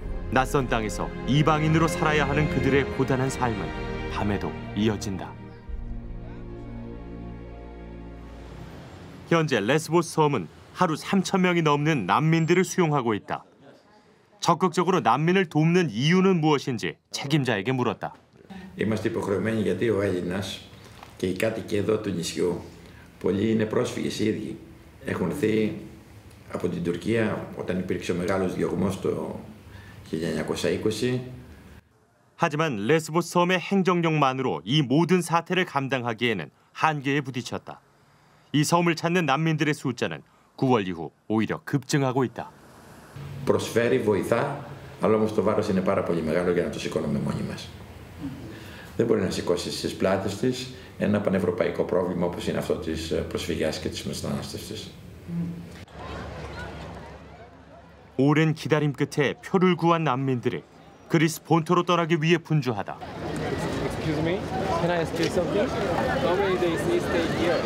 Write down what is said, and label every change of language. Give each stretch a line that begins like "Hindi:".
Korean: 낯선 땅에서 이방인으로 살아야 하는 그들의 고단한 삶은 밤에도 이어진다. 현재 레스보스 섬은 하루 3천 명이 넘는 난민들을 수용하고 있다. 적극적으로 난민을 돕는 이유는 무엇인지 책임자에게 물었다.
Greek: Είμαστε υποχρεωμένοι γιατί ο Έλληνας και οι κάτοικοι εδώ του νησιού πολλοί είναι πρόσφυγες ίδιοι. Έχουν έρθει από την Τουρκία όταν υπήρξε ο μεγάλος διωγμός το 1920.
Korean: 하지만 레스보스 섬의 행정력만으로 이 모든 사태를 감당하기에는 한계에 부딪혔다. 이 섬을 찾는 난민들의 숫자는 9월 이후 오히려 급증하고 있다.
Greek: Προσφέρει βοηθά, αλλά όμως το βάρος είναι πάρα πολύ μεγάλο για να το σηκώνουμε μόνοι μας. Δεν μπορεί να σηκώσει στις πλάτες της ένα πανευρωπαϊκό πρόβλημα όπως είναι αυτό της προσφυγιάς και της μετανάστευσης.
Korean: 오랜 기다림 끝에 표를 구한 난민들이 그리스 본토로 떠나기 위해 분주하다.
English: Excuse me, can I ask you something? How many days do you stay here?